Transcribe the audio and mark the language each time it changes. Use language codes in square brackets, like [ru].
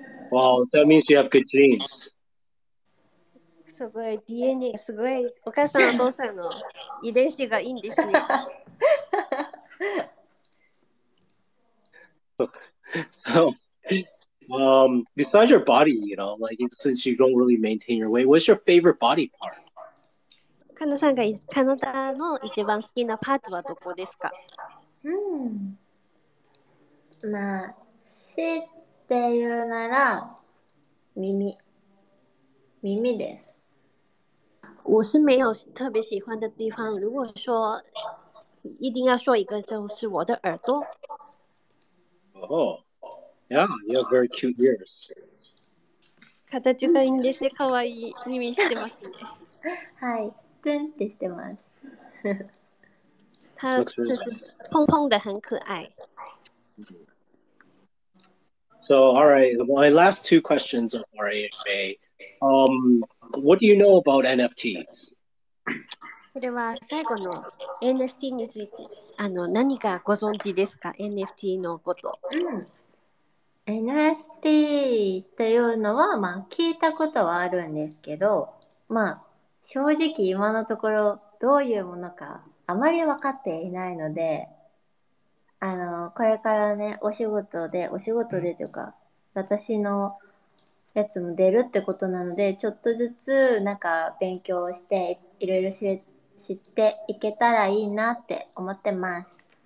[en] Well, that means you have good genes. [ja] すごい DNA すごい、お母さんお父さんの遺伝子がいいんですね。 [en] So, besides your body, you know, like since you don't really maintain your weight, what's your favorite body part? [ja] カナさんがカナダの一番好きなパーツはどこですか？まあ。しって言うなら耳です。 [zh] 我是没有特别喜欢的地方，如果说一定要说一个就是我的耳朵。 [en] Oh, yeah, you have very cute ears. [ja] 形がいいんですね。可愛い耳してますね。はい、ツンってしてます。 [zh] 它就是蓬蓬的，很可爱。 [en] So, all right, my last two questions are AFA. What do you know about NFT? [ja] これは最後の NFT について、何かご存知ですか？ NFT のこと。 NFT というのは、まあ、聞いたことはあるんですけど、まあ、正直今のところどういうものかあまり分かっていないので、これからね、お仕事でというか、私のやつも出るってことなので、ちょっとずつなんか勉強して いろいろ知っていけたらいいなって思ってます。